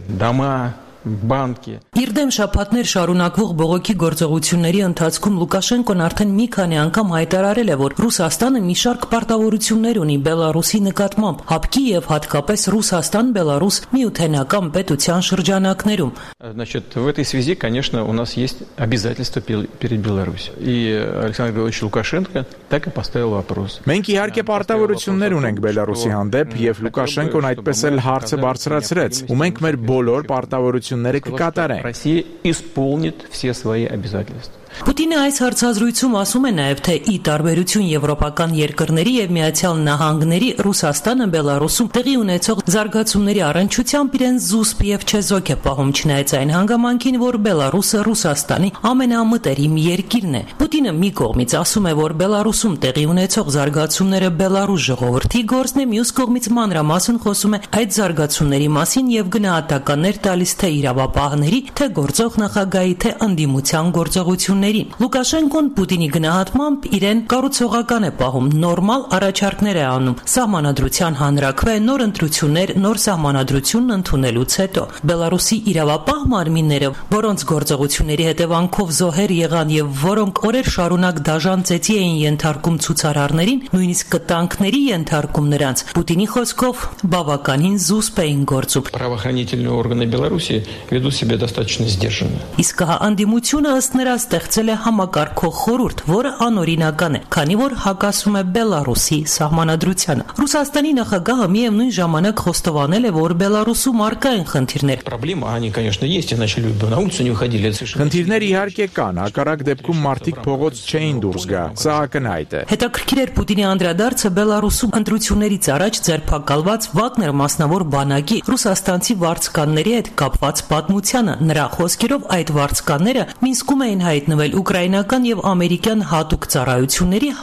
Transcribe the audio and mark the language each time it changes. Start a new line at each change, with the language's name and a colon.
Armenian: դամա բանկի։ Իրդեմ շապատներ շարունակվող բողոքի գործողությունների ընթացքում Լուկաշենկոն արդեն մի քանի անգամ հայտարարել է, որ Ռուսաստանը մի շարք պարտավորություններ ունի Բելարուսի նկատմամբ, հապկի եւ հատկապես Ռուսաստան-Բելարուս միութենական պետության շրջանակներում։
Russian: Значит, в этой связи, конечно, у нас есть обязательства перед Беларусью. И Александр Григорьевич Лукашенко так и поставил вопрос.
Armenian: Մենք իհարկե պարտավորություններ ունենք Բելարուսի հանդեպ եւ Լուկաշենկոն այդպես էլ հարցը բարձրացրեց, ու մենք մեր բոլոր պարտավորությունները կկատարենք.
Russian: Россия исполнит все свои обязательства.
Armenian: Պուտինը այս հարցազրույցում ասում է նաև, թե ի տարբերություն եվրոպական երկրների եւ միացյալ նահանգների, Ռուսաստանը Բելարուսում տեղի ունեցող զարգացումների առնչությամբ իրեն զուսպ եւ չեզոք է պահում, չնայած այն հանգամանքին, որ Բելարուսը Ռուսաստանի ամենամտերիմ երկիրն է։ Պուտինը մի կողմից ասում է, որ Բելարուսում տեղի ունեցող զարգացումները Բելարուս ժողովրդի գործն է, մյուս կողմից մանրամասն խոսում է այդ զարգացումների մասին եւ գնահատականներ տալիս թե իրավապահների, թե գործող նախագահի, թե անդիմության գործողության։ Լուկաշենկոն Պուտինի գնահատմամբ իրեն կառուցողական է պահում, նորմալ առաջարկներ է անում, սահմանադրության հանրաքվե նոր ընտրություններ, նոր սահմանադրությունն ընդունելուց հետո։ Բելարուսի իրավապահ մարմինները, որոնց գործողությունների հետևանքով զոհեր եղան եւ որոնք օրեր շարունակ դաժանցեցի էին ենթարկում ցուցարարներին, նույնիսկ կտանքների ենթարկում նրանց, Պուտինի խոսքով բավականին զուսպ էին գործում։
Russian: Правоохранительные органы Беларуси ведут себя достаточно сдержанно։
Armenian: Իսկ հանդիմությունը ըստ նրա ստեղծել է համակարգող խորհուրդ, որը անօրինական է, քանի որ հակասում է Բելարուսի սահմանադրությանը։ Ռուսաստանի նախագահը միևնույն ժամանակ խոստովանել է, որ Բելարուսում առկա են խնդիրներ։
Russian: Проблема, они, конечно, есть, иначе люди бы на улицу не выходили, совершенно.
Armenian: Խնդիրներ իհարկե կան, հակառակ դեպքում մարդիկ փողոց չէին դուրս գա, սա ակնհայտ է։ Հետաքրքիր էր Պուտինի անդրադարձը Բելարուսում ընտրություններից առաջ ձերբակալված Վագներ մասնավոր բանակի ռուսաստանցի վարձկանների հետ կապված պատմությանը, նրա խոսքերով այդ վարձկանները Մինսկում էին հայտնվել ուկրաինական եւ ամերիկյան հատուկ ծառայությունների